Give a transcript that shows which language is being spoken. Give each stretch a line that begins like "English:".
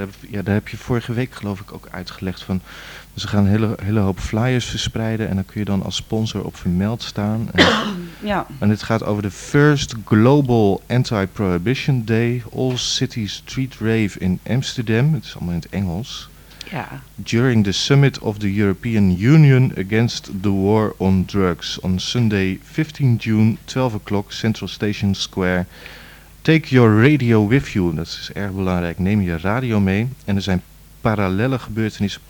Dutch: Daar heb je vorige week geloof ik ook uitgelegd van. Dus ze gaan een hele hoop flyers verspreiden. En dan kun je dan als sponsor op vermeld staan. Ja. En dit gaat over de First Global Anti-Prohibition Day.
English: All City Street Rave in Amsterdam.
Dutch: Het is allemaal in het Engels. Ja.
English: During the Summit of the European Union Against the War on Drugs. On Sunday 15 June, 12 o'clock, Central Station Square. Take your radio with you.
Dutch: Dat is erg belangrijk. Neem je radio mee. En er zijn parallele gebeurtenissen.